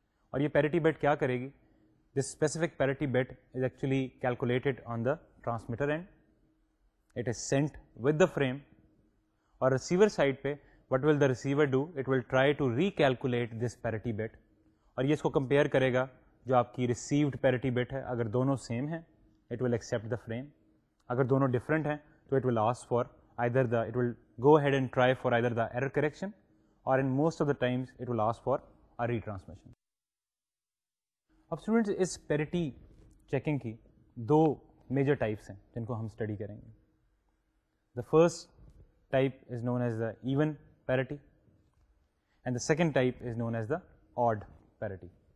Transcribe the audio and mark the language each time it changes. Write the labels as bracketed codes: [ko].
[ur] اور یہ parity bit کیا کرے گی؟ [en] This specific parity bit is actually calculated on the transmitter and it is sent with the frame. [ur] اور receiver side پہ [en] What will the receiver do? It will try to recalculate this parity bit. [ur] اور یہ اس کو compare کرے گا جو آپ کی received parity bit ہے. اگر دونوں سیم ہیں [en] It will accept the frame. [ur] اگر دونوں ڈفرینٹ ہیں تو [en] It will ask for either the it will go ahead and try for either the error correction اور in most of the times it will ask for a retransmission. [ur] اب students اس parity checking کی دو major types ہیں جن کو ہم study کریں گے. [en] The first type is known as the even parity and the second type is known as the odd parity.